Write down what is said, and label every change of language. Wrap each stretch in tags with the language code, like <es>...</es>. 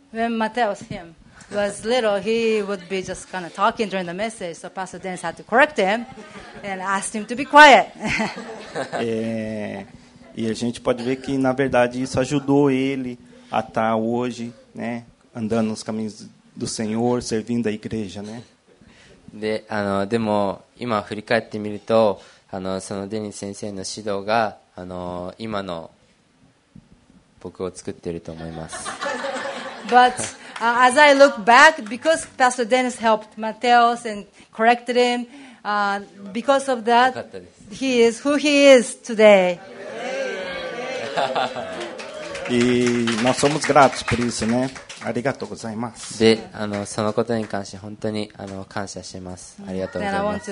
<en>When Mateus him was little, he would be just kind of talking during the message, so Pastor Dennis had to correct him and asked him to be quiet.</en> <pt>E a gente pode ver que na verdade isso ajudou ele a estar hojeね、andando nos caminhos do Senhor, servindo a igreja, né?</pt> <ja>で、でも今振り返ってみると、そのデニス先生の指導が、今の僕を作っていると思います。</ja> <en>But as I look back, because Pastor Dennis helped Mateus and corrected him, because of that, he is who he is today.</en> <pt>E nós somos gratos por isso, né?</pt> <ja>ありがとうございます。で、そのことに関して本当に感謝しています。ありがとうございます。</ja>